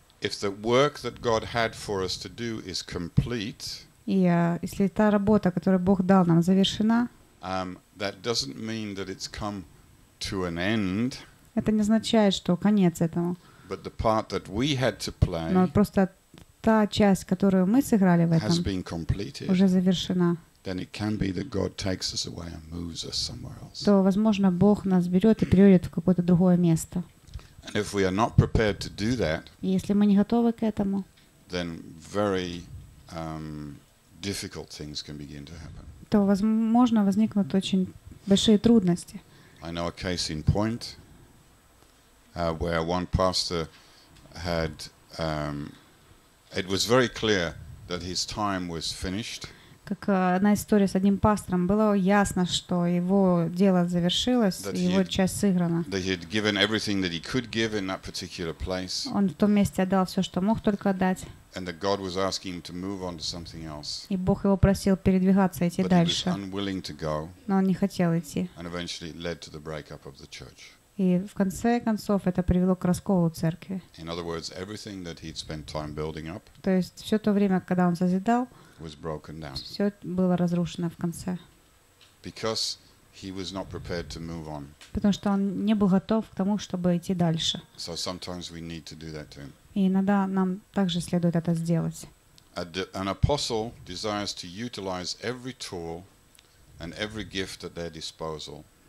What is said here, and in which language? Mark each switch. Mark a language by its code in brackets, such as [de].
[en] If the work that God had for us to do is complete, [ru] если та работа, которую Бог дал нам, завершена, [en] that doesn't mean that it's come to an end. [ru] Это не означает, что конец этому. [en] But the part that we had to play, [ru] но просто та часть, которую мы сыграли в этом, [en] has been completed, [ru] уже завершена. [en] Then it can be that God takes us away and moves us somewhere else. [ru] То, возможно, Бог нас берет и переводит в какое-то другое место. [en] And if we are not prepared to do that, [ru] если мы не готовы к этому, [en] then very difficult things can begin to happen. [ru] То, возможно, возникнут очень большие трудности. [en] I know a case in point where one pastor had it was very clear that his time was finished. [ru] Как одна история с одним пастором, было ясно, что его дело завершилось, и его часть сыграна. [en] That he had given everything that he could give in that particular place. [ru] Он в том месте отдал все, что мог только отдать. [en] And that God was asking him to move on to something else. [ru] И Бог его просил передвигаться, идти [en] But [ru] дальше. [en] He was unwilling to go. [ru] Но он не хотел идти. [en] And eventually it led to the breakup of the church. [ru] И в конце концов это привело к расколу церкви. [en] In other words, everything that he'd spent time building up. [ru] То есть все то время, когда он созидал, [en] was broken down. [ru] Все было разрушено в конце. [en] Because he was not prepared to move on. [ru] Потому что он не был готов к тому, чтобы идти дальше. [en] So sometimes we need to do that too. [ru] И иногда нам также следует это сделать. [en] An apostle desires to utilize every tool and every gift at their disposal.